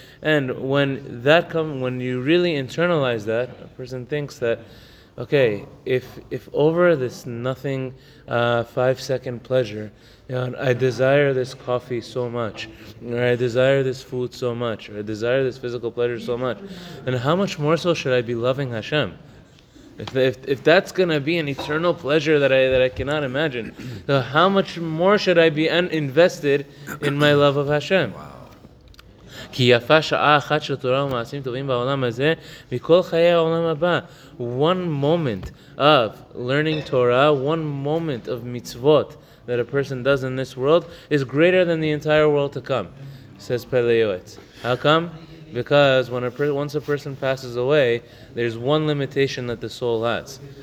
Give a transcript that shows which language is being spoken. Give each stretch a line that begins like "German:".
English: And when you really internalize that, a person thinks that, okay, if over this nothing 5 second pleasure, you know, I desire this coffee so much, or I desire this food so much, or I desire this physical pleasure so much, then how much more so should I be loving Hashem? If that's gonna be an eternal pleasure that I cannot imagine, so how much more should I be invested in my love of Hashem? Wow.
Hebrew: כי יפה שעה אחת של תורה ומעשים טובים בעולם הזה מכל חיי העולם הבא.
English: One moment of learning Torah, one moment of mitzvot that a person does in this world is greater than the entire world to come, says Pele Yoetz. How come? Because when once a person passes away, there's one limitation that the soul has.